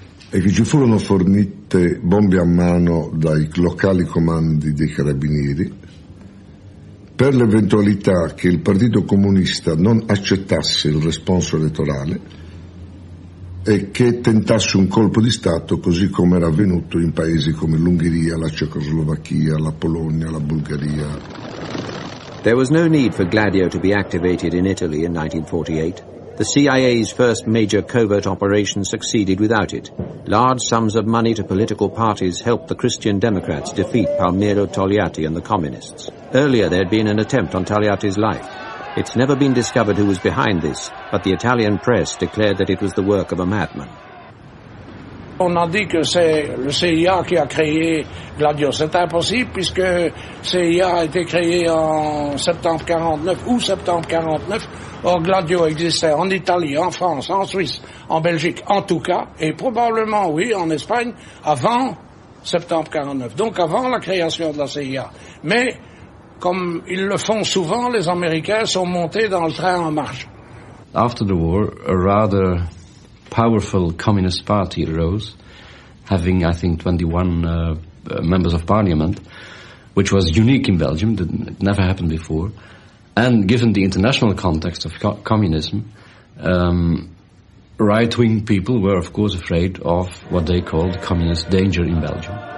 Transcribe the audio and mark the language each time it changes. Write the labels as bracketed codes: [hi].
[it] e che ci furono fornite bombe a mano dai locali comandi dei carabinieri per l'eventualità che il Partito Comunista non accettasse il responso elettorale e che tentasse un colpo di Stato, così come era avvenuto in paesi come l'Ungheria, la Cecoslovacchia, la Polonia, la Bulgaria. [en] There was no need for Gladio to be activated in Italy in 1948. The CIA's first major covert operation succeeded without it. Large sums of money to political parties helped the Christian Democrats defeat Palmiro Togliatti and the Communists. Earlier there had been an attempt on Togliatti's life. It's never been discovered who was behind this, but the Italian press declared that it was the work of a madman. [fr] On a dit que c'est le CIA qui a créé Gladio. C'est impossible puisque CIA a été créé en septembre 49 ou septembre 49. Or, Gladio existait en Italie, en France, en Suisse, en Belgique, en tout cas, et probablement, oui, en Espagne, avant septembre 49. Donc avant la création de la CIA. Mais, comme ils le font souvent, les Américains sont montés dans le train en marche. [en] After the war, a rather powerful communist party arose, having, I think, 21 members of parliament, which was unique in Belgium, it never happened before. And given the international context of communism, right-wing people were, of course, afraid of what they called communist danger in Belgium.